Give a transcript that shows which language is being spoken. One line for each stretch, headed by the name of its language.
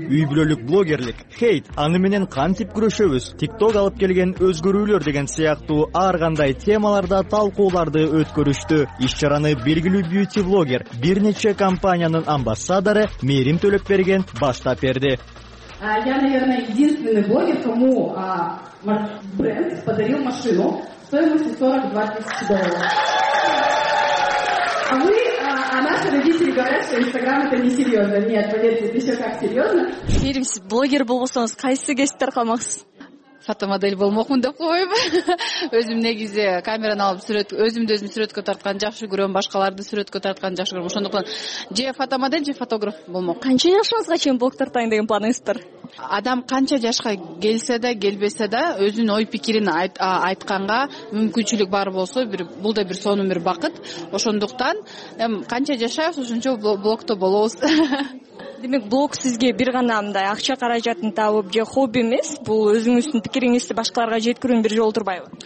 Kyrgyz: Үй бүлөлүк блогерлик, хейт, аны менен кантип күрөшөбүз? TikTok алып келген өзгөрүүлөр деген сыяктуу ар кандай темаларда талкууларды өткөрүштү. Иш-чараны белгилүү бьюти блогер, бир нече компаниянын амбассадары Мээрим Төлөкберген баштап берди.
Russian: Я, наверное, единственный блогер, кому бренд подарил машину стоимостью 42 тысячи долларов. Наши родители говорят, что Инстаграм это не серьезно. Нет, поверьте, это еще как серьезно. Мерим, блогер был бы сонс, кайсы гестер хамахс.
Kyrgyz: Фотомодель болмокмун деп коеюм. Өзүм негизи камераны алып сүрөт, өзүмдү өзүм сүрөткө тарткан жакшы көрөм, башкаларды сүрөткө тарткан жакшы көрөм. Ошондуктан же фотомодель, же фотограф болмок. Канча жашыңызга чейин блог тартайын деген планыңыздар? Адам канча жашка келсе да, келбесе да, өзүнүн ой пикирин айтканга мүмкүнчүлүк бар болсо, бул да бир сонун бир бакыт. Ошондуктан канча жашайбыз, ошончо блогто болобуз. Демек блог сизге бир гана мындай акча каражатын табып же хобби эмес, бул өзүңүздүн пикириңизди башкаларга жеткирүүнүн бир жолу турбайбы?